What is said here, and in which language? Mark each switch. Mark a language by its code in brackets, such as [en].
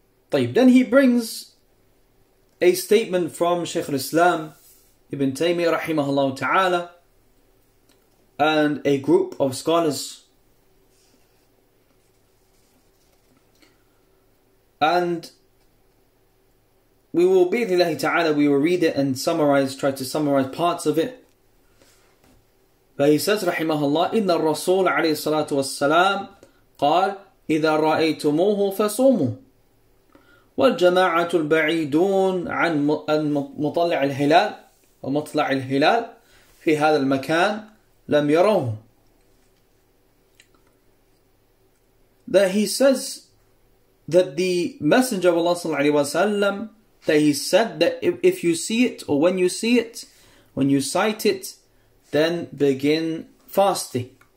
[en] طيب, then he brings a statement from Shaykh al-Islam Ibn Taymiyyah rahimahullah ta'ala and a group of scholars. And we will, bi'idhnillahi ta'ala, we will read it and summarize, try to summarize parts of it. But he says, rahimahullah, [ar] إِنَّ الرَّسُولَ عَلَيْهِ الصَّلَاةُ وَالسَّلَامُ قَالَ إِذَا رَأَيْتُمُوهُ فَصُومُوا وَالْجَمَاعَةُ الْبَعِيدُونَ عَنْ مُطَلِّعِ الْهِلَالِ وَمُطْلَعِ الْهِلَالِ فِي هَذَا الْمَكَانِ لَمْ يَرَوْهُ. [en] That he says that the Messenger of Allah sallallahu alayhi wa sallam, that he said that if you see it, or when you see it, when you sight it, then begin fasting.